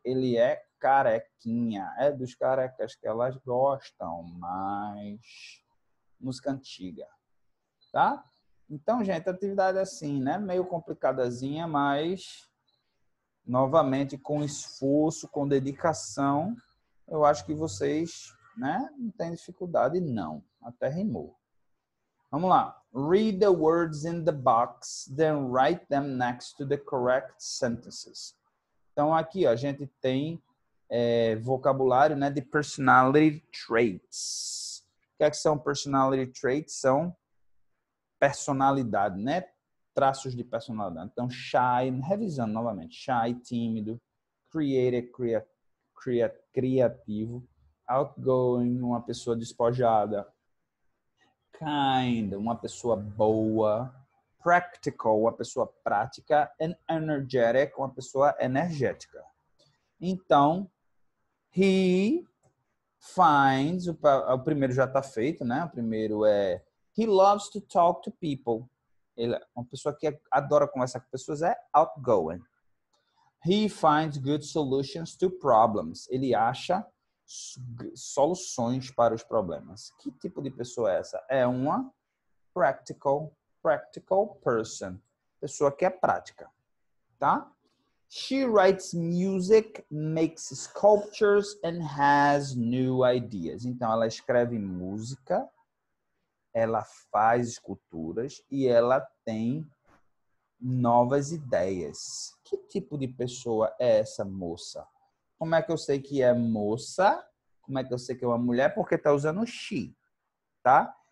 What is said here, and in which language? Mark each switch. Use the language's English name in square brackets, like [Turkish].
[Portuguese] Ele é carequinha. É dos carecas que elas gostam mais. Música antiga. Tá? Então, gente, atividade assim, né? Meio complicadazinha, mas... Novamente, com esforço, com dedicação, eu acho que vocês... Né? Não tem dificuldade, não. Até rimou. Vamos lá. [English] Read the words in the box, then write them next to the correct sentences. [Portuguese] Então, aqui ó, a gente tem vocabulário, né, de personality traits. O que é que são personality traits? São personalidade, né? Traços de personalidade. Então, shy, revisando novamente. Shy, tímido. creative, criativo, outgoing, uma pessoa despojada, kind, uma pessoa boa, practical, uma pessoa prática, and energetic, uma pessoa energética. Então, [English] he finds, [Portuguese] o primeiro já está feito, né? O primeiro é, [English] he loves to talk to people. [Portuguese] Ele, uma pessoa que adora conversar com pessoas é outgoing. [English] He finds good solutions to problems. [Portuguese] Ele acha soluções para os problemas. Que tipo de pessoa é essa? É uma practical person. Pessoa que é prática, tá? [English] She writes music, makes sculptures, and has new ideas. [Portuguese] Então, ela escreve música, ela faz esculturas e ela tem novas ideias. Que tipo de pessoa é essa moça? Como é que eu sei que é moça? Como é que eu sei que é uma mulher? Porque tá usando she, tá?